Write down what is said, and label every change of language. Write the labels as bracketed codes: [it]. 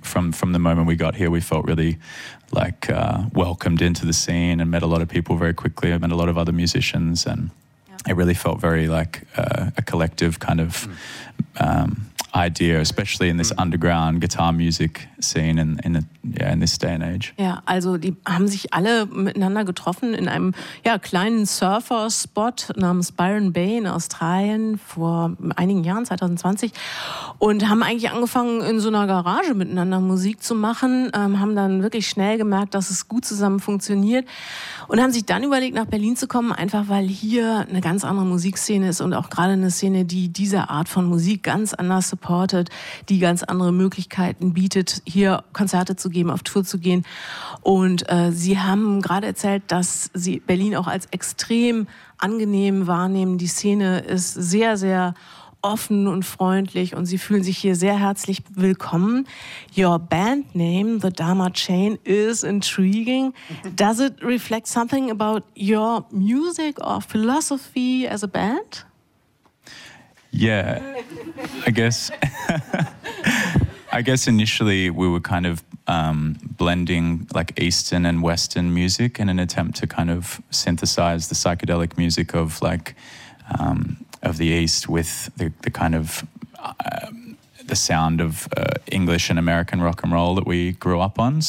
[en] From the moment we got here, we felt really like welcomed into the scene and met a lot of people very quickly. I met a lot of other musicians and yeah. It really felt very like a collective kind of idea, especially in this underground guitar music scene in this day and age. [de] Ja, also die haben sich alle miteinander getroffen in einem kleinen Surfer-Spot namens Byron Bay in Australien vor einigen Jahren, 2020, und haben eigentlich angefangen in so einer Garage miteinander Musik zu machen, haben dann wirklich schnell gemerkt, dass es gut zusammen funktioniert und haben sich dann überlegt, nach Berlin zu kommen, einfach weil hier eine ganz andere Musikszene ist und auch gerade eine Szene, die diese Art von Musik ganz anders supportet, die ganz andere Möglichkeiten bietet, hier Konzerte zu geben, auf Tour zu gehen. Und Sie haben gerade erzählt, dass Sie Berlin auch als extrem angenehm wahrnehmen. Die Szene ist sehr, sehr offen und freundlich und Sie fühlen sich hier sehr herzlich willkommen. [en] Your band name, The Dharma Chain, is intriguing. Does it reflect something about your music or philosophy as a band? Yeah, I guess. I guess initially we were kind of blending like Eastern and Western music in an attempt to kind of synthesize the psychedelic music of like of the East with the kind of the sound of English and American rock and roll that we grew up on.